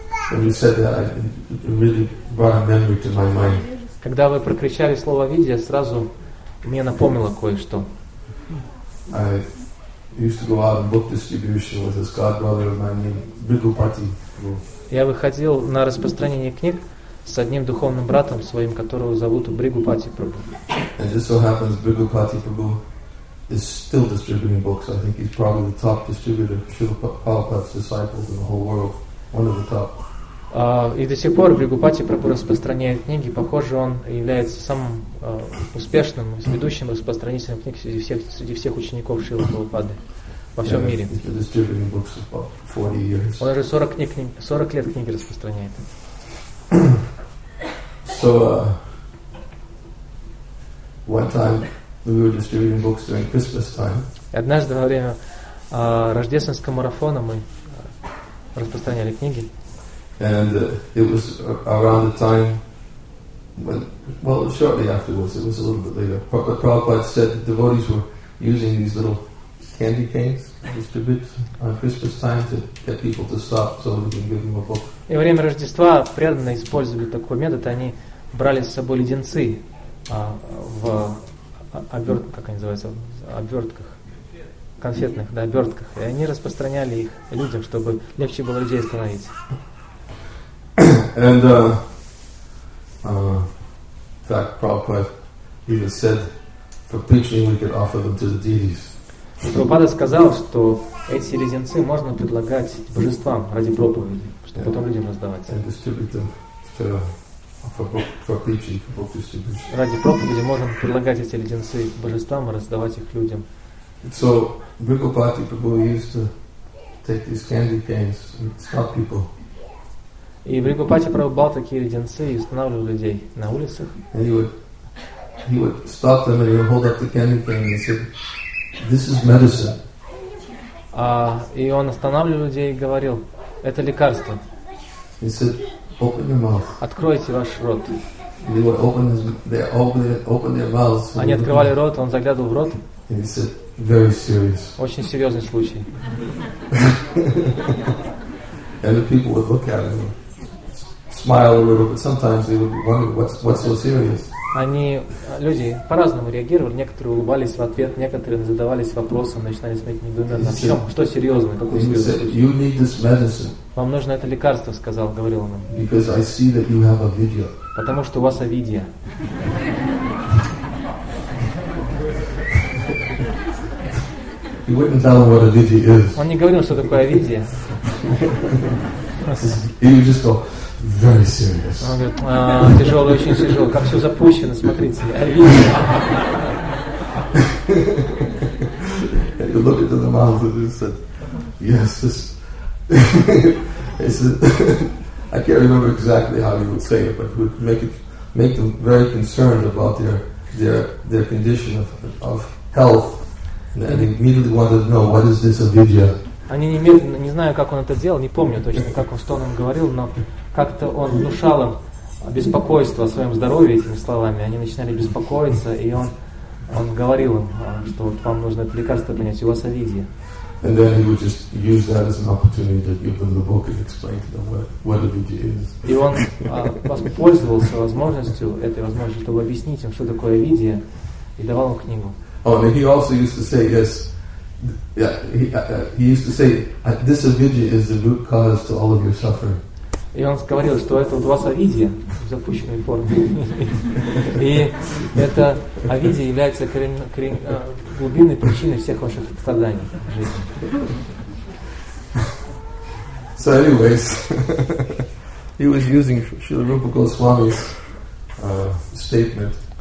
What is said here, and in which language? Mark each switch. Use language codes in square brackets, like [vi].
[en] When you said that, it really brought a memory to my mind. [ru] Когда вы прокричали слово "видя", сразу мне напомнило кое-что. [en] I used to go out and book distribution with this god brother of mine named Bhrigupati. [ru] Я выходил на распространение книг с одним духовным братом своим, которого зовут Бригупати Прабу. [en] And just so happens, Bhrigupati Prabhu is still distributing books. I think he's probably the top distributor, Srila Prabhupada's disciples in the whole world. One of the top. [ru] И до сих пор Бригупати Прабу распространяет книги. Похоже, он является самым успешным, ведущим распространителем книг среди всех учеников Шрилы Прабхупады во всем мире. [en] He's been distributing books for about 40 years. [ru] Он уже 40 лет книги распространяет. [en] So, one time, we were distributing books during Christmas time. [ru] Однажды во время рождественского марафона мы распространяли книги. [en] And it was around the time when, well, shortly afterwards, it was a little bit later. Prabhupada said that devotees were using these little candy canes to distribute on Christmas time to get people to stop so we can give them a book. [ru] И во время Рождества преданные использовали такой метод, они брали с собой леденцы в обертках, как они называются, обертках, конфетных, да, обертках. И они распространяли их людям, чтобы легче было людей остановить. [en] And, in fact, Prabhupada even said, for preaching we could offer them to the deities. [ru] Прабхупада сказал, что эти леденцы можно предлагать божествам ради проповеди, чтобы потом людям раздавать. [en] And distribute them to... For preaching, for book distribution. [ru] Ради проповеди можем предлагать эти леденцы божествам и раздавать их людям. [en] So Bhrigupati Prabhu used to take these candy canes and stop people. [ru] И Бригупати Прабху брал такие леденцы и останавливал людей на улицах. [en] And he would stop them and he would hold up the candy cane and say, "This is medicine." [ru] И он останавливал людей и говорил, "Это лекарство." [en] He said, open your mouth. [ru] Откройте ваш рот. [en] They would open their mouths. [ru] Они открывали рот, он заглядывал в рот. [en] And he said, very serious. [ru] Очень серьезный случай. [en] And the people would look at him, smile a little, but sometimes they would wonder what's so serious. [ru] Они, люди по-разному реагировали. Некоторые улыбались в ответ, некоторые задавались вопросом, начинали смотреть недоуменно. В чем? Что серьезно? Какой серьезный случай? Вам нужно это лекарство, сказал, говорил он. [en] Because I see that you have avidya. [ru] Потому что у вас авидья. [en] You wouldn't tell him what avidya is. [ru] Он не говорил, что такое авидья. [en] He would just go, Very serious. [ru] Он говорит, тяжелый, очень тяжелый, как все запущено, смотрите, я вижу. [en] And he looked into the mouth and he said, yes, this... he said, I can't remember exactly how he would say it, but he would make them very concerned about their condition of health. And they immediately wanted to know, what is this avidya? [ru] Они немедленно, не знаю, как он это делал, не помню точно, как он с тоном говорил, но как-то он внушал им беспокойство о своем здоровье этими словами. Они начинали беспокоиться, и он говорил им, что вот вам нужно это лекарство принять, у вас авидия. [en] And then he would just use that as an opportunity to give them the book and explain to them what avidya is. [ru] И он воспользовался возможностью, этой возможностью, чтобы объяснить им, что такое авидия, и давал им книгу. [en] Oh, and he also used to say, yes, he used to say, this avidya is the root cause to all of your suffering. [ru] И он говорил, что это вот у вас авидия в запущенной форме. И это авидия является глубинной причиной всех ваших страданий в жизни. [en] So anyways, he was using Srila Rupa Goswami's statement.